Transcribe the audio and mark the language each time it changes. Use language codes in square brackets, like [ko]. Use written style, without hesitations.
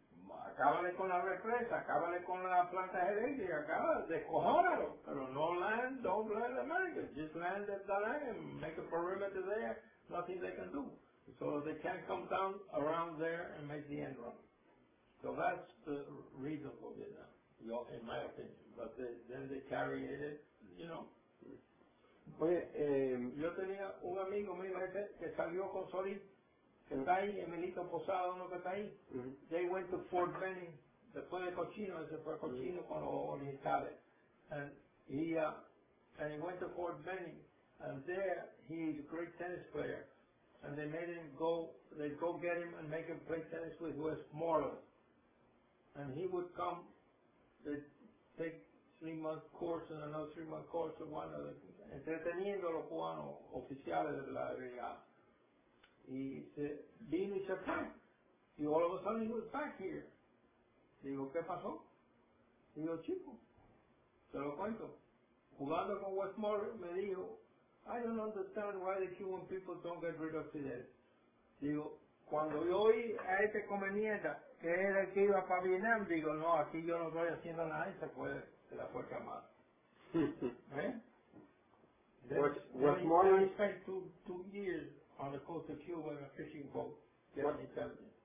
[es] Acábale con la represa, acábale con la planta heredia, acábale, descojónalo. Pero no [en] land, don't land America. Just land at that end, make a perimeter there, nothing they can do. So they can't come down around there and make the end run. So that's the reason for it now. In my opinion, but then they carry it, you know. [es] Oye, yo tenía un amigo mío que salió con Solís, que está ahí, Emilito Posado, uno que está ahí. Mm-hmm. [en] They went to Fort Benning, [es] después de Cochino, ese fue Cochino con los orientales. [en] And he went to Fort Benning, and there he's a great tennis player. And they made him go, they'd go get him and make him play tennis with Wes Morland. And he would come. They take 3 month course and another 3 month course of one of the [es] entreteniendo los cubanos oficiales de la RIA. [en] He said, [es] vino y se fue. [en] Y all of a sudden he was back here. [es] Digo, ¿qué pasó? Digo, chico, te lo cuento. Jugando con Westmore me dijo, [en] I don't understand why the Cuban people don't get rid of Fidel. [es] Digo, cuando yo oí a este comenienda, que era el que iba para Vietnam, digo, no, aquí yo no estoy haciendo nada, y se fue de la Fuerza Armada. ¿Eh? [en] Westmoreland. I spent two years on the coast of Cuba in a fishing boat, getting intelligence.